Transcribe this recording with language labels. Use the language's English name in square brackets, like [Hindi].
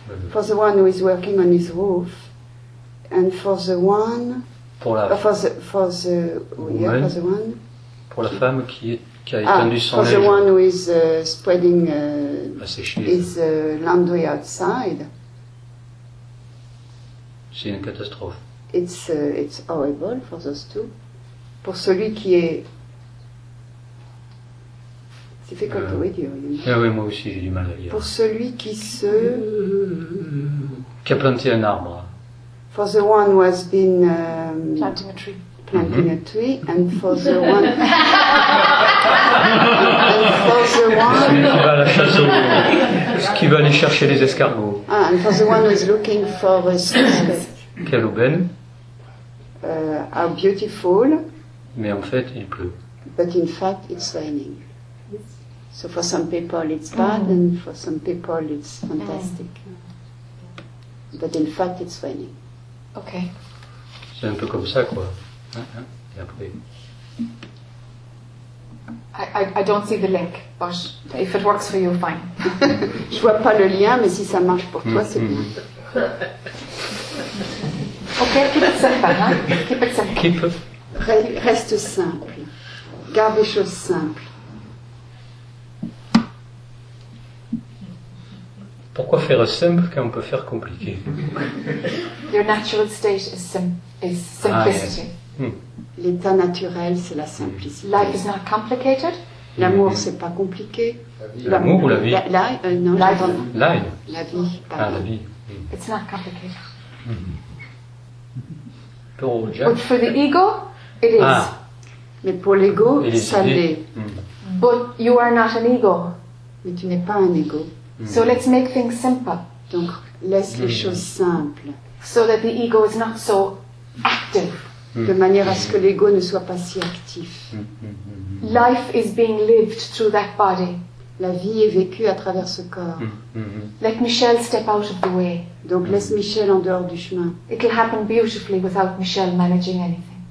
[English] For the one who is working on his roof. And for the one... [French] Pour la femme qui a étendu son linge. [English] For the one who is spreading his laundry outside. [French] C'est une catastrophe. [English] It's horrible for those two. [French] Pour celui qui est... C'est [English] difficult to read you. [French] Oui, moi aussi j'ai du mal à lire. Pour celui qui se... Qui a planté un arbre. [English] For the one who has been planting a tree. Ok. [French] C'est un peu comme ça, quoi. Et après. [English] I don't see the link, but if it works for you, fine. [French] Je vois pas le lien, mais si ça marche pour toi, c'est bien. [English] Ok, keep it simple, hein? Keep it simple. Keep. [French] Reste simple. Garde les choses simples. Pourquoi faire simple quand on peut faire compliqué? [English] Your natural state is simplicity. [French] L'état naturel, c'est la simplicité. [English] Life is not complicated. [French] L'amour, c'est pas compliqué. L'amour ou la vie? La vie. [English] It's not complicated. [French] Pour Jack. [English] But for the ego, it is. [French] Mais pour l'ego, ça l'est. [English] But you are not an ego. [French] Mais tu n'es pas un ego. [English] So let's make things simple. [French] Donc laisse les choses simples. [English] So that the ego is not so active. [French] De manière à ce que l'ego ne soit pas si actif. [English] Life is being lived through that body. [French] La vie est vécue à travers ce corps. [English] Let Michel step out of the way. [French] Donc laisse Michel en dehors du chemin. [English] It will happen beautifully without Michel managing anything.